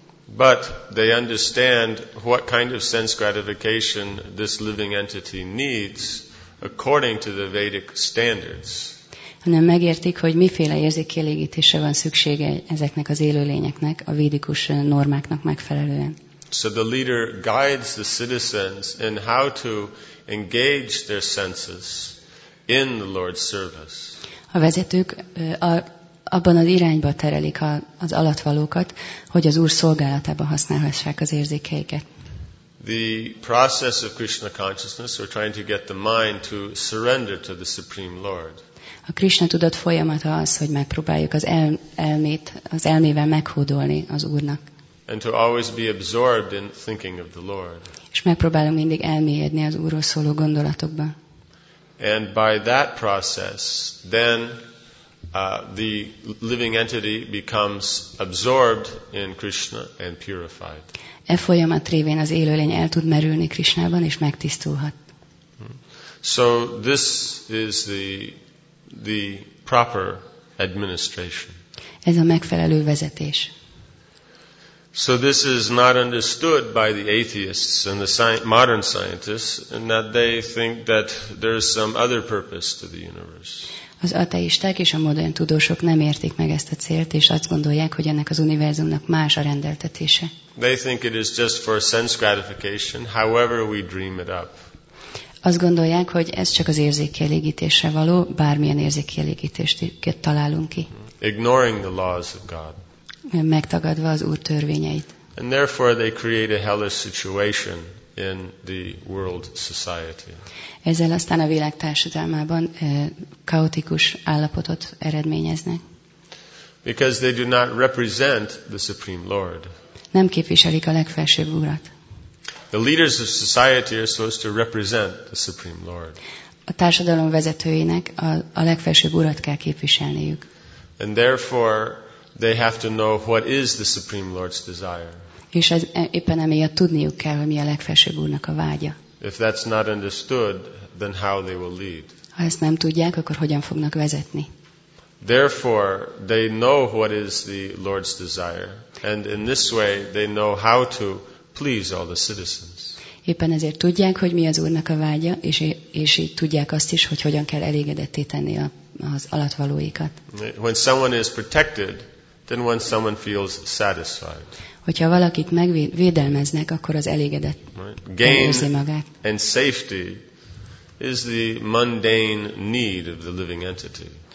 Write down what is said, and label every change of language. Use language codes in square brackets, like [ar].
[en] But they understand what kind of sense gratification this living entity needs according to the Vedic standards. [hu] Hanem megértik, hogy miféle érzékkielégítésre van szüksége ezeknek az élőlényeknek a védikus normáknak megfelelően. [en] So the leader guides the citizens in how to engage their senses in the Lord's service. [hu] a vezetők abban az irányba terelik az alattvalókat, hogy az Úr szolgálatába használhassák az érzékeiket. [en] The process of Krishna consciousness, we're trying to get the mind to surrender to the Supreme Lord. [hu] A Krishna tudat folyamata az, hogy megpróbáljuk az elmét, az elmével meghódolni az Úrnak. [en] And to always be absorbed in thinking of the Lord. [hu] És megpróbálunk mindig elmélyedni az Úrról szóló gondolatokba. [en] And by that process, then the living entity becomes absorbed in Krishna and purified. [hu] E folyamat révén az élőlény el tud merülni Krishnában és megtisztulhat. [en] So this is the proper administration. [hu] Ez a megfelelő vezetés. [en] So this is not understood by the atheists and the modern scientists, and that they think that there is some other purpose to the universe. [hu] Az ateisták és a modern tudósok nem értik meg ezt a célt, és azt gondolják, hogy ennek az univerzumnak más a rendeltetése. [en] They think it is just for sense gratification, however we dream it up. [hu] Azt gondolják, hogy ez csak az érzékkielégítésre való, bármilyen érzékkielégítést találunk ki. [en] Ignoring the laws of God. [hu] Megtagadva az Úr törvényeit. [en] And therefore they create a hellish situation in the world society. [hu] Ezzel aztán a világ társadalmában kaotikus állapotot eredményeznek. [en] Because they do not represent the Supreme Lord. [hu] Nem képviselik a legfelsőbb Urat. [en] The leaders of society are supposed to represent the Supreme Lord. [hu] A társadalom vezetőinek a legfelsőbb Urat kell képviselniük. [en] And therefore they have to know what is the Supreme Lord's desire. [hu] És ez éppen emiatt tudniuk kell, hogy mi a legfelsőbb Úrnak a vágya. [en] If that's not understood, then how they will lead. [hu] Ha ezt nem tudják, akkor hogyan fognak vezetni? [en] Therefore, they know what is the Lord's desire, and in this way they know how to please all the citizens. [hu] Éppen ezért tudják, hogy mi az Úrnak a vágya, és így tudják azt is, hogy hogyan kell elégedetté tenni az alattvalóikat. [en] When someone is protected, then when someone feels satisfied. [hu] Hogyha valakit megvédelmeznek, akkor az elégedett. [en] Gain and safety is the mundane need of the living entity.